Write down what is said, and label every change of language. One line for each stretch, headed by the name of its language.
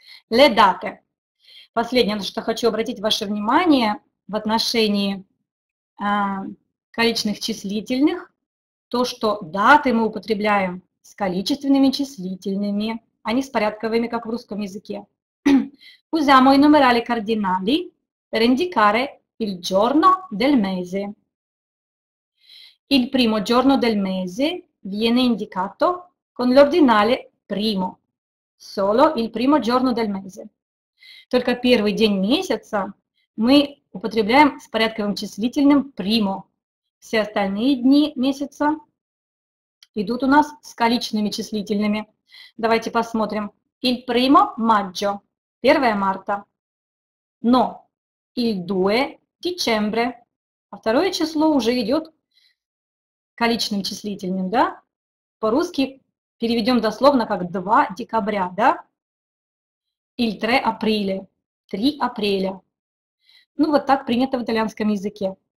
Italian: Le date.
Russian: Последнее, на что хочу обратить ваше внимание в отношении количественных числительных, то, что даты мы употребляем с количественными числительными, а не с порядковыми, как в русском языке.
Italian: Usiamo i numerali cardinali per indicare il giorno del mese. Il primo giorno del mese viene indicato con l'ordinale primo. Solo il primo giorno del mese.
Russian: Только первый день месяца мы употребляем с порядковым числительным primo. Все остальные дни месяца идут у нас с количественными числительными. Давайте посмотрим.
Italian: Il primo maggio.
Russian: 1 марта. Но
Italian: il 2 dicembre.
Russian: А второе число уже идет количественным числительным, да? По-русски переведем дословно как 2 декабря, да?
Italian: Il 3 aprile.
Russian: 3 апреля. Ну, вот так принято в итальянском языке.